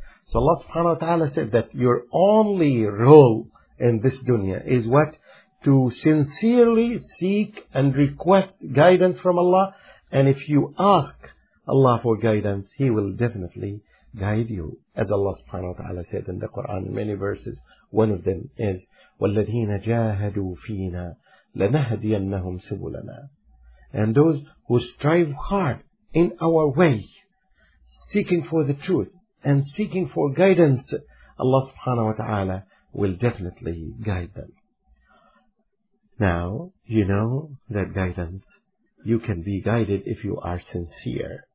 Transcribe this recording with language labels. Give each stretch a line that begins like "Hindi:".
English: So Allah subhanahu wa ta'ala said that your only role in this dunya is what? To sincerely seek and request guidance from Allah. And if you ask Allah for guidance, He will definitely guide you, as Allah subhanahu wa ta'ala said in the Quran, many verses. One of them is,
Arabic: وَالَّذِينَ جَاهَدُوا فِينَا لَنَهَدِيَنَّهُمْ سُبُلَنَا.
English: And those who strive hard in our way, seeking for the truth and seeking for guidance, Allah subhanahu wa ta'ala will definitely guide them. Now, you know that guidance, you can be guided if you are sincere.